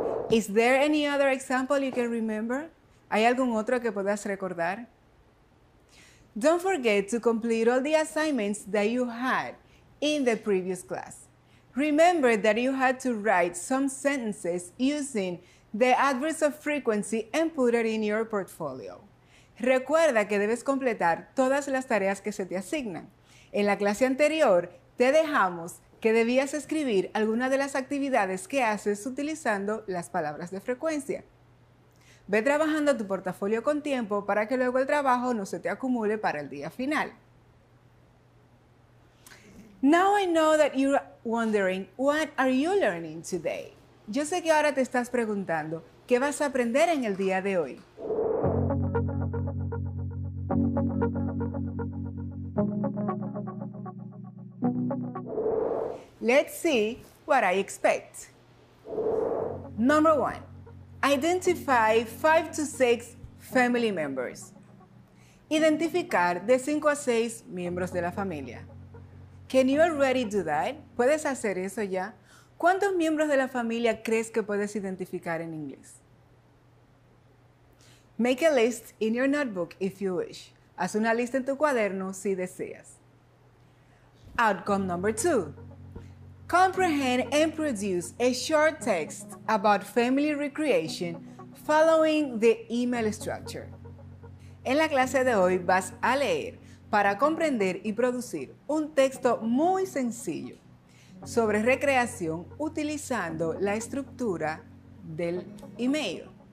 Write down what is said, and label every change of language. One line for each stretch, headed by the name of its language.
English: Is there any other example you can remember?
Spanish: ¿Hay algún otro que puedas recordar?
English: Don't forget to complete all the assignments that you had in the previous class. Remember that you had to write some sentences using the adverbs of frequency and put it in your portfolio.
Spanish: Recuerda que debes completar todas las tareas que se te asignan. En la clase anterior, te dejamos que debías escribir alguna de las actividades que haces utilizando las palabras de frecuencia. Ve trabajando tu portafolio con tiempo para que luego el trabajo no se te acumule para el día final.
English: Now I know that you're wondering, what are you learning today?
Spanish: Yo sé que ahora te estás preguntando, ¿qué vas a aprender en el día de hoy?
English: Let's see what I expect. Number one, identify 5 to 6 family members.
Spanish: Identificar de 5 a 6 miembros de la familia.
English: Can you already do that?
Spanish: ¿Puedes hacer eso ya? ¿Cuántos miembros de la familia crees que puedes identificar en inglés?
English: Make a list in your notebook if you wish.
Spanish: Haz una lista en tu cuaderno si deseas.
English: Outcome number two. Comprehend and produce a short text about family recreation following the email structure.
Spanish: En la clase de hoy vas a leer para comprender y producir un texto muy sencillo sobre recreación utilizando la estructura del email.